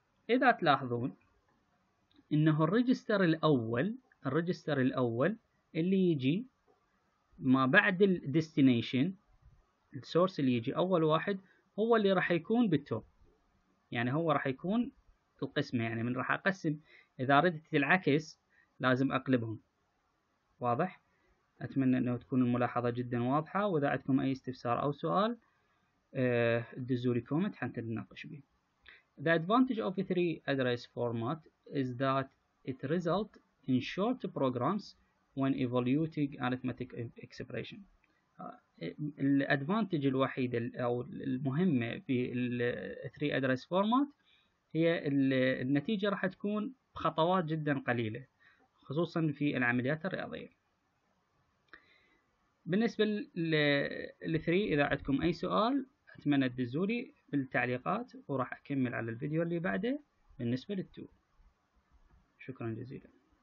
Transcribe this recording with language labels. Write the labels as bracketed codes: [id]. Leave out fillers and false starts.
[ar] اذا تلاحظون انه الريجستر الاول، الريجستر الاول اللي يجي ما بعد الديستنيشن السورس اللي يجي اول واحد هو اللي راح يكون بالتوب، يعني هو راح يكون القسمه، يعني من راح اقسم اذا ردت العكس لازم اقلبهم. واضح؟ اتمنى انه تكون الملاحظه جدا واضحه، واذا عندكم اي استفسار او سؤال دزولي كومنت حتى نناقش به. [en] The advantage of a 3 address format is that it result in short programs when evaluating arithmetic expression. [ar] الادفانتج الوحيد او المهمة في ال 3 address format هي النتيجة راح تكون بخطوات جدا قليلة خصوصا في العمليات الرياضية. بالنسبة لل 3 اذا عندكم اي سؤال أتمنى تدزولي بالتعليقات، وراح أكمل على الفيديو اللي بعده بالنسبة للتو. شكرا جزيلا.